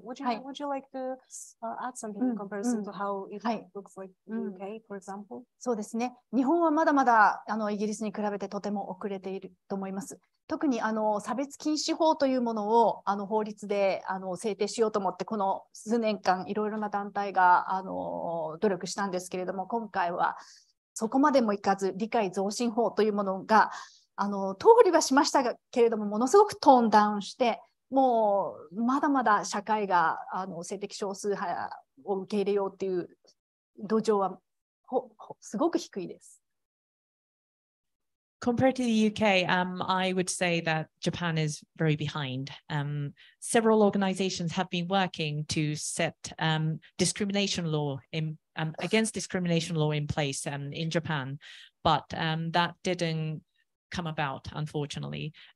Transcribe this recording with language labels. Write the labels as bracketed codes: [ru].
[en] Would you like to add something in comparison to how it looks like in UK, for example? [ja] そうですね。日本はまだまだイギリスに比べてとても遅れていると思います。特に差別禁止法というものを法律で制定しようと思って、この数年間いろいろな団体が努力したんですけれども、今回はそこまでもいかず、理解増進法というものが通りはしましたけれども、ものすごくトーンダウンして、もうまだまだ社会が性的少数派を受け入れようという土壌はすごく低いです。 [en] Compared to the UK, I would say that Japan is very behind. Several organizations have been working to set discrimination law in, against discrimination law in place in Japan, but that didn't come about, unfortunately.